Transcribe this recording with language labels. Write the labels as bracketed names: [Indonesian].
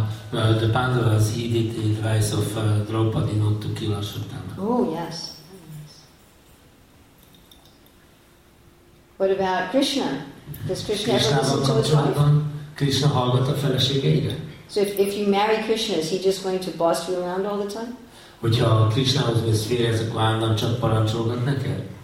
[English] The Pandavas heeded the advice of Draupadi not to kill Ashwatthama. Oh, yes. What about Krishna? Does Krishna ever listen to his wife? [Hungarian] Krishna hallgat a feleségeire? [English] So if you marry Krishna, is he just going to boss you around all the time? [Hungarian] Hogyha Krishnahoz vesz férjez, akkor állandóan csak parancsolgat neked?